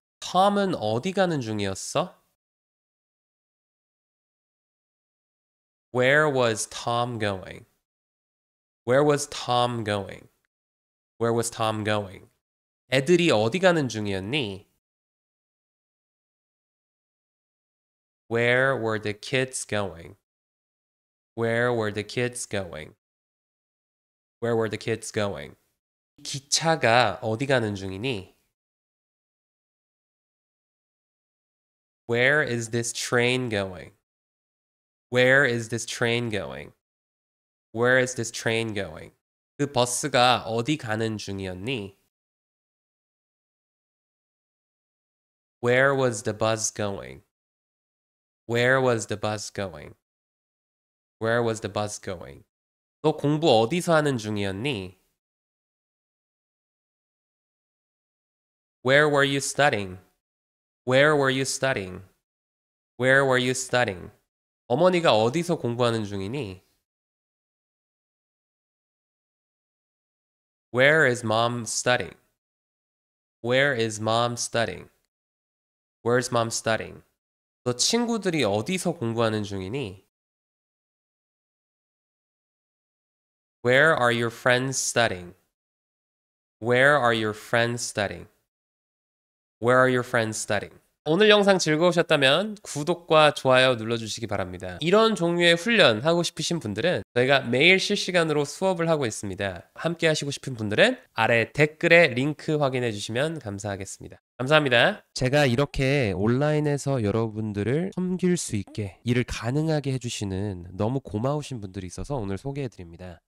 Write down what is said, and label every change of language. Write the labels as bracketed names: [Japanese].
[Korean] Tom은 어디 가는 중이었어? [English] Where was Tom going? Where was Tom going? Where was Tom going? [Korean] 애들이 어디 가는 중이었니? [English] Where were the kids going? Where were the kids going? Where were the kids going? [Korean] 기차가 어디 가는 중이니? [English] Where is this train going? Where is this train going? Where is this train going? [Korean] 그 버스가 어디 가는 중이었니? [English] Where was the bus going? Where was the bus going? Where was the bus going? [Korean] 너 공부 어디서 하는 중이었니? [English] Where were you studying? Where were you studying? Where were you studying? [Korean] 어머니가 어디서 공부하는 중이니? [English] Where is mom studying? Where is mom studying? Where is mom studying? [Korean] 너 친구들이 어디서 공부하는 중이니? [English] Where are your friends studying? Where are your friends studying? Where are your friends studying? [Korean] 오늘 영상 즐거우셨다면 구독과 좋아요 눌러주시기 바랍니다. 이런 종류의 훈련 하고 싶으신 분들은 저희가 매일 실시간으로 수업을 하고 있습니다. 함께 하시고 싶은 분들은 아래 댓글에 링크 확인해 주시면 감사하겠습니다. 감사합니다. 제가 이렇게 온라인에서 여러분들을 섬길 수 있게 일을 가능하게 해주시는 너무 고마우신 분들이 있어서 오늘 소개해드립니다.